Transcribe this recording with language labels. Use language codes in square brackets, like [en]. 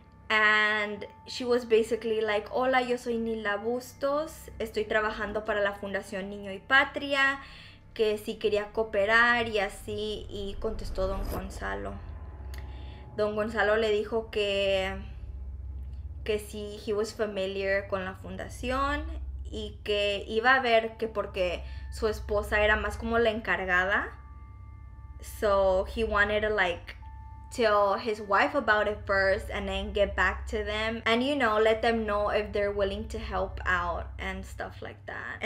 [en] And she was basically like, [es] hola, yo soy [en] Nilda Bustos. [es] Estoy trabajando para la Fundación Niño y Patria. Que si quería cooperar y así. Y contestó Don Gonzalo. Don Gonzalo le dijo que si [en] he was familiar [es] con la fundación. Y que iba a ver que porque su esposa era más como la encargada. [en] So he wanted to like tell his wife about it first and then get back to them and, you know, let them know if they're willing to help out and stuff like that.